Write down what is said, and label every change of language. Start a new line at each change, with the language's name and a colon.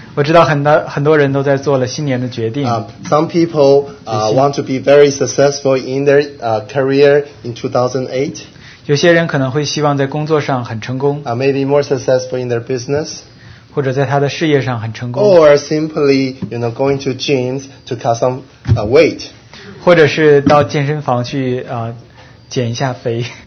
Chinese: 我知道很多人都在做了新年的决定。
English: Some people want to be very successful in their career in 2008.
Chinese: 有些人可能会希望在工作上很成功。
English: Maybe more successful in their business.
Chinese: 或者在他的事业上很成功。
English: Or simply, you know, going to gyms to cut some weight.
Chinese: 或者是到健身房去减一下肥。